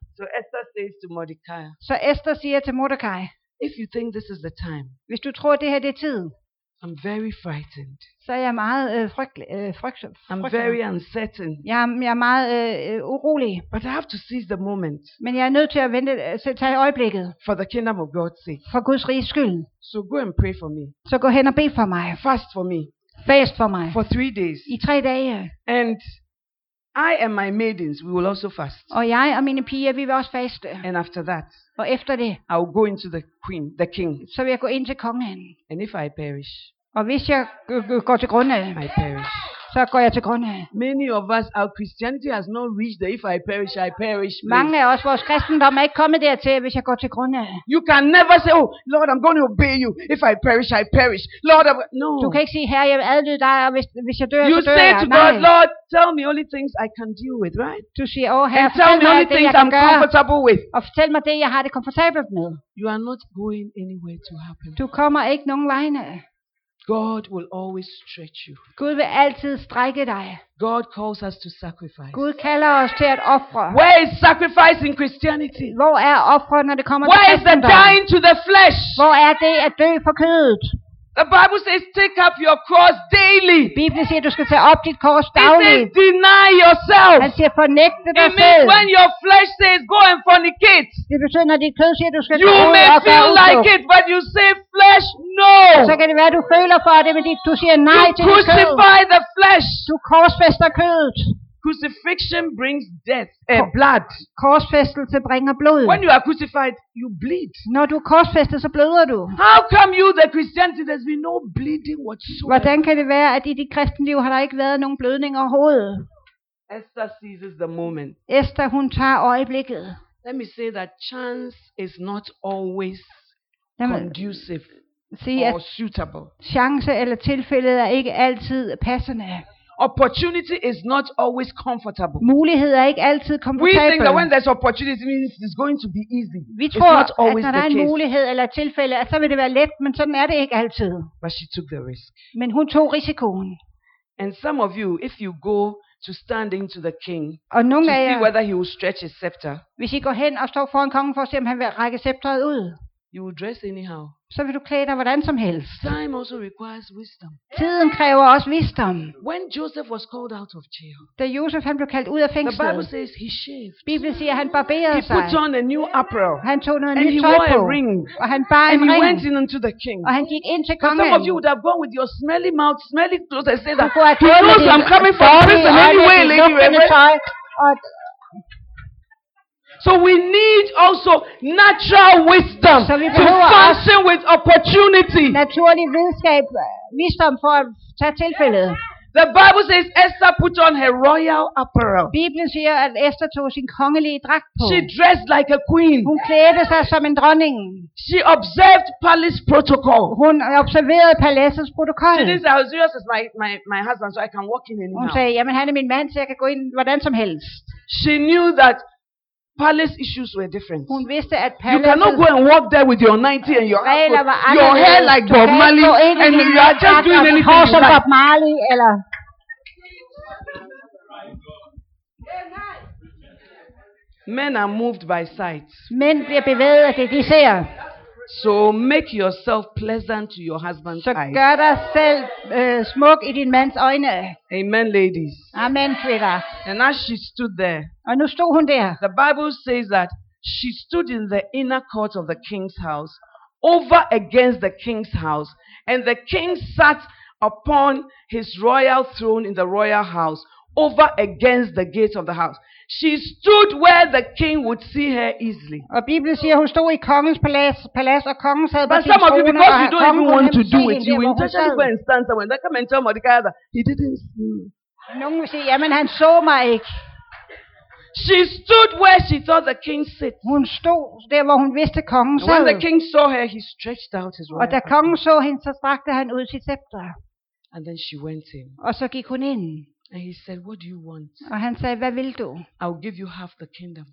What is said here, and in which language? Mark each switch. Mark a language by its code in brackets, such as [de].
[en] So Esther says to Mordecai. [da] Så Esther siger til Mordecai. [en] If you think this is the time, [da] hvis du tror det her det er tiden, [en] I'm very frightened. [da] Så jeg meget frygtsom. [en] I'm very uncertain. [da] Jeg er meget urolig. [en] But I have to seize the moment. [da] Men jeg er nødt til at vente, tage øjeblikket. [en] For the kingdom of God's sake. [da] For Guds riges skyld. [en] So go and pray for me. [da] Så gå hen og bed for mig. [en] Fast for me. [da] Fast for mig. [en] For 3 days. [da] I 3 dage. [en] And I and my maidens, we will also fast. [da] Og jeg og mine piger, vi vil også faste. [en] And after that, [da] og efter det, [en] I will go into the queen, the king. [da] Så vil jeg gå ind til kongen. [en] And if I perish, [da] og hvis jeg går til grunde, [en] I perish. [da] Så går jeg til grunde. [en] Many of us, our Christianity has not reached the if I perish, I perish. Please. [da] Mange af os, vores kristendom er ikke kommet dertil, hvis jeg går til grunde. [en] You can never say, oh Lord, I'm going to obey you. If I perish, I perish. Lord, I'm... no. [da] Du kan ikke sige, herre, jeg adlyder dig, og hvis jeg dør, [en] you [da] så dør [en] say [da] jeg. [en] To God, Lord, tell me only things I can deal with, right? [da] Du siger, oh herre, [en] and tell me only things [da] det, [en] I'm comfortable with. [da] Og fortæl mig det, jeg har det komfortabelt med. [en] You are not going anywhere to happen. [da] Du kommer ikke nogen vegne. [en] God will always stretch you. [da] Gud vil altid strække dig. [en] God calls us to sacrifice. [da] Gud kalder os til at ofre. [en] Where is sacrifice in Christianity? [da] Hvor er ofre når det kommer [en] Where [da] til kristendom? [en] Where is the dying to the flesh? [da] Hvor er det at dø for kødet? [en] The Bible says take up your cross daily. [da] Bibelen siger du skal tage op dit kors dagligt. [en] It says deny yourself. [da] Han siger fornægte dig selv. [en] It means when your flesh says go and fornicate. [da] Det betyder når dit kød siger du skal tage op og gøre ondt. [en] You may feel like it but you say flesh no. [da] Så kan det være du føler for det men du siger nej til dit kød. [en] Crucify the flesh. [da] Du korsfester kødet. [en] Crucifixion brings death and blood. [da] Korsfæstelse bringer blod. [en] When you are crucified, you bleed. [da] Når du korsfæstet, så bløder du. [en] How come you the Christianity there's been no bleeding whatsoever? [da] Hvordan kan det være at i dit kristenliv har der ikke været nogen blødning overhovedet? [en] Esther seizes the moment. [da] Esther hun tager øjeblikket. [en] Let me say that chance is not always conducive or suitable. [da] Chance eller tilfældet er ikke altid passende. [en] Opportunity is not always comfortable. [da] Mulighed er ikke altid komfortabel. [en] We think that when there's opportunity means it's going to be easy. [da] Vi tror, [en] it's not always [da] at når der er en mulighed eller tilfælde, så vil det være let, men sådan er det ikke altid. [en] But she took the risk. [da] Men hun tog risikoen. [en] And some of you, if you go to stand into the king, [da] og nogle [en] to [da] af jer, [en] see whether he will stretch his scepter, [da] hvis I går hen og står foran kongen for at se, om han vil række scepteret ud, [en] you will dress anyhow. [da] Så vil du klæde dig hvordan som helst. [en] Time also requires wisdom. [da] Tiden kræver også visdom. [en] When Joseph was called out of jail, [da] da Josef han blev kaldt ud af fængslet, [en] the Bible says he shaved. [da] Bibelen siger, at han barberede sig. [en] He put on a new apparel. [da] Han tog noget nyt tøj på. [en] And he wore a ring. [da] Og han bar en [en] and [da] ring. [en] And he went in unto the king. [da] Og han gik ind til kongen. [en] Some of you would have gone with your smelly mouth, smelly clothes, and said that. Who knows? I'm coming from prison anyway, lady. So we need also natural wisdom to function with opportunity. [da] Naturlig videnskab, visdom for at tage tilfældet. [en] The Bible says Esther put on her royal apparel. [da] Bibelen siger at Esther tog sin kongelige dragt på. [en] She dressed like a queen. [da] Hun klædte sig som en dronning. [en] She observed palace protocol. [da] Hun observerede paladsets protokol. [en] She says Ahasuerus is my husband, so I can walk in anyhow. [da] Hun sagde, jamen han er min mand, så jeg kan gå ind hvordan som helst. [en] She knew that palace issues were different. [da] Hun vidste, at [en] you cannot go and walk there with your 90 and your apple, your hair like Bob Marley, and you are just doing anything you like. [da] Bob Marley, eller. [en] Men are moved by sight. [da] Mænd bliver bevæget af det, de ser. [en] So make yourself pleasant to your husband's eyes. [da] Så gør dig selv smuk i din mands øjne. [en] Amen, ladies. [da] Amen, kvinder. [en] And as she stood there. [da] Og nu stod hun der. [en] The Bible says that she stood in the inner court of the king's house, over against the king's house, and the king sat upon his royal throne in the royal house, over against the gate of the house. She stood where the king would see her easily. [da] Og Bibelen siger, hun stod i kongens palads, og kongen sad på sin trone. [en] But some of you, because you don't even want to do it, you intentionally go and stand somewhere. They come and tell Mordecai that he didn't see. [da] Nogen vil sige, jamen han så mig ikke. [en] She stood where she thought the king sit. [da] Hun stod der, hvor hun vidste kongen sad. [en] And when the king saw her, he stretched out his right. [da] Og da kongen så hende, så strakte han ud sit scepter. [en] And then she went in. [da] Og så gik hun ind. [en] And he said, "What do you want?" [da] Og han sagde, hvad vil du? [en] I'll give you half the kingdom.